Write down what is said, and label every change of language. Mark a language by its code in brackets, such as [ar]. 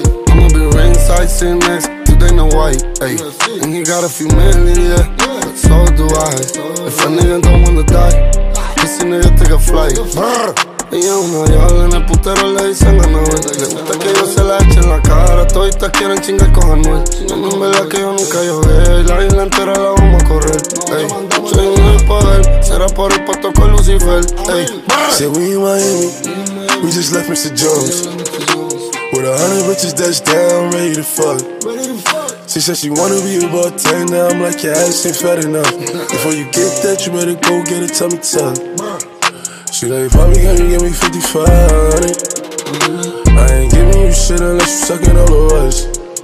[en] I'ma be ringside sitting next to Dana White, ayy. And he got a few million, yeah, but so do I. If a nigga don't wanna die, this nigga take a flight. Brr. [es] Ella es una diabla, en el putero le dicen a Noel. Le gusta que yo se la eche en la cara. Toditas quieren chingar con Anuel. No, no, en verdad que yo nunca llogué. La isla entera la vamos a correr. Ey, soy un del poder. Será por el pato con Lucifer. Ey, [en] say we in Miami. We just left Mr. Jones. With 100 bitches that's down, ready to fuck. She said she wanna be a bartender. I'm like, your ass ain't fat enough. Before you get that, you better go get a tummy tuck. She like, Bobby, can you give me 55, honey? I ain't giving you shit unless you suckin' all of us.